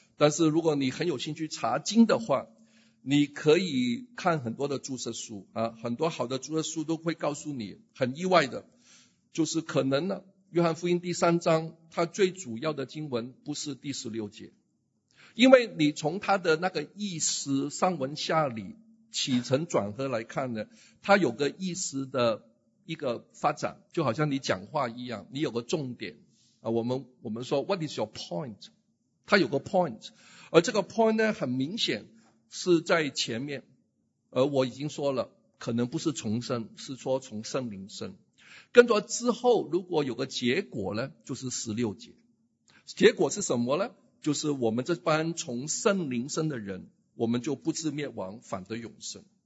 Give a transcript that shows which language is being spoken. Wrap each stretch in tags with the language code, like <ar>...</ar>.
<zh>但是如果你很有兴趣查经的话，你可以看很多的注释书啊，很多好的注释书都会告诉你，很意外的就是可能呢，约翰福音第三章它最主要的经文不是第十六节。因为你从他的那个意思上文下理起承转合来看呢，他有个意思的一个发展，就好像你讲话一样，你有个重点啊。我们说</zh> <en>What is your point?</en> <zh>他有个 point， 而这个 point 呢，很明显是在前面，而我已经说了，可能不是重生，是说从圣灵生。跟着之后，如果有个结果呢，就是16节。结果是什么呢？就是我们这班从圣灵生的人，我们就不致灭亡，反得永生。</zh>